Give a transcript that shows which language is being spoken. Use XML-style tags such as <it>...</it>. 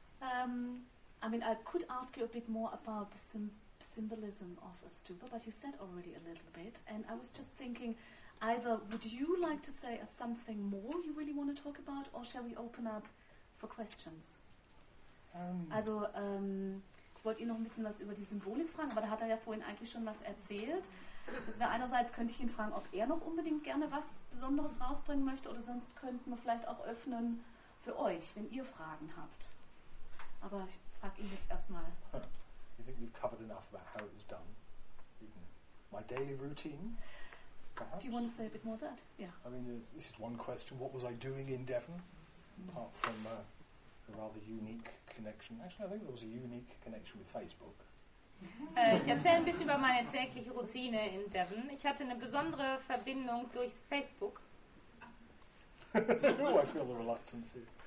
<en>I mean, I could ask you a bit more about the symbolism of a stupa, but you said already a little bit, and I was just thinking, either would you like to say something more you really want to talk about, or shall we open up for questions?</en> <de>Also, wollt ihr noch ein bisschen was über die Symbolik fragen? Aber da hat er ja vorhin eigentlich schon was erzählt. Also einerseits könnte ich ihn fragen, ob er noch unbedingt gerne was Besonderes rausbringen möchte, oder sonst könnten wir vielleicht auch öffnen für euch, wenn ihr Fragen habt. Aber ich frage ihn jetzt erstmal.</de> <en>You think we've covered enough about how it was done? My daily routine? Perhaps. Do you want to say a bit more of that? Yeah. I mean, this is one question. What was I doing in Devon? Apart from a rather unique connection. Actually, I think there was a unique connection with Facebook.</en> <de>Ich erzähle ein bisschen über meine tägliche Routine in Devon. Ich hatte eine besondere Verbindung durch Facebook.</de> <en>Oh, I feel the reluctance here.</en>